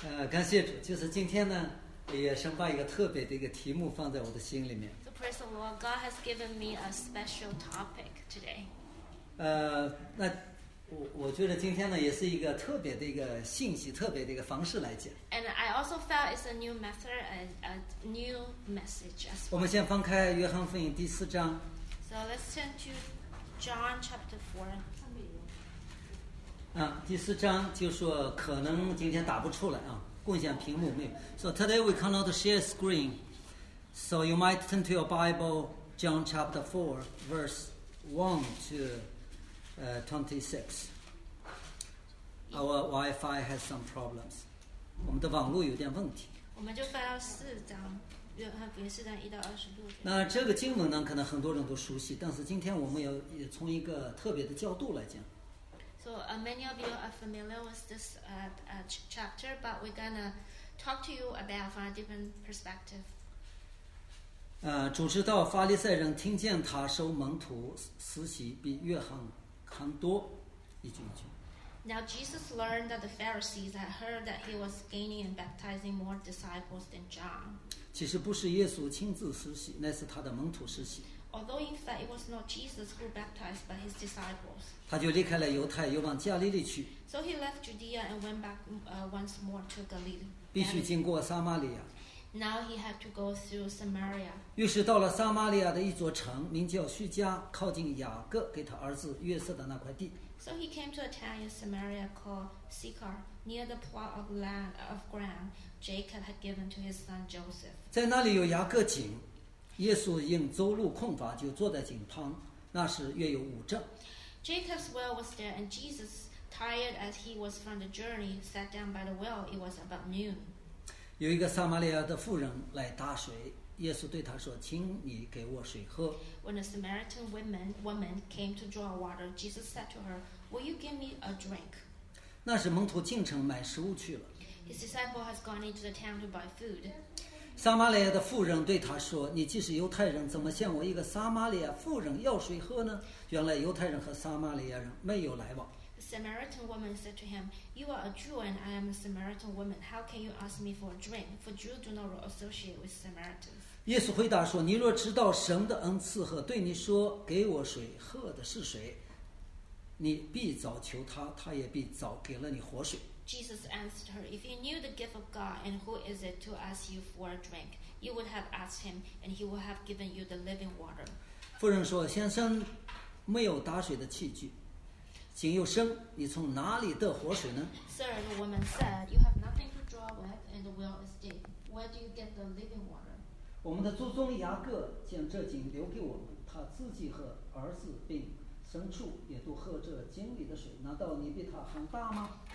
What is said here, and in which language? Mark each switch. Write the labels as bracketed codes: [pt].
[zh] 感谢主，就是今天呢，也神把一个特别的一个题目放在我的心里面。 [en] So praise the Lord, God has given me a special topic today. [zh] 那我觉得今天呢，也是一个特别的一个信息，特别的一个方式来讲。 [en] And I also felt it's a new method, a new message. As well. [zh] 我们先翻开约翰福音第四章。 [en] So let's turn to John chapter 4. [zh] 第四章就说可能今天打不出来啊，共享屏幕没有。 [en] So today we cannot share screen. So you might turn to your Bible, John chapter 4, verse 1 to 26. Our Wi-Fi has some problems. [zh] 我们的网络有点问题。我们就翻到四章，约翰福音四章一到二十六节。那这个经文呢，可能很多人都熟悉，但是今天我们也从一个特别的角度来讲。 [en] So many of you are familiar with this chapter, but we're gonna talk to you about from a different perspective. [zh] 主知道法利赛人听见他收门徒施洗比约翰还多，一句一句。 [en] Now Jesus learned that the Pharisees had heard that he was gaining and baptizing more disciples than John. [zh] 其实不是耶稣亲自施洗，那是他的门徒施洗。 [en] Although in fact it was not Jesus who baptized but his disciples. [zh] 他就离开了犹太，又往加利利去。 [en] So he left Judea and went back once more to Galilee. [zh] 必须经过撒玛利亚。 [en] Now he had to go through Samaria. [zh] 于是到了撒玛利亚的一座城，名叫叙加，靠近雅各给他儿子约瑟的那块地。 [en] So he came to a town in Samaria called Sychar, near the plot of land of ground Jacob had given to his son Joseph. [zh] 在那里有雅各井。耶稣应周路空乏，就坐在井旁。那时约有五正。 [en] Jacob's well was there, and Jesus, tired as he was from the journey, sat down by the well. It was about noon. [zh] 有一个撒玛利亚的妇人来打水，耶稣对她说：“请你给我水喝。” [en] When a Samaritan woman came to draw water, Jesus said to her, "Will you give me a drink?" [zh] 那时门徒进城买食物去了。 [en] His disciple has gone into the town to buy food. [zh] 撒玛利亚的妇人对他说：“你既是犹太人，怎么向我一个撒玛利亚妇人要水喝呢？” 原来犹太人和撒玛利亚人没有来往。 [en] The Samaritan woman said to him, "You are a Jew, and I am a Samaritan woman. How can you ask me for a drink? For Jews do not associate with Samaritans." [zh] 耶稣回答说：“你若知道神的恩赐和对你说给我水喝的是谁，你必早求他，他也必早给了你活水。” [en] Jesus answered her, "If you knew the gift of God and who is it to ask you for a drink, you would have asked him, and he would have given you the living water." [zh] 妇人说：“先生，没有打水的器具，井又深，你从哪里得活水呢？” [en] Sir, the woman said, "You have nothing to draw with, and the well is deep. Where do you get the living water?" [zh] 我们的祖宗雅各将这井留给我们，他自己和儿子并牲畜也都喝这井里的水，难道你比他还大吗？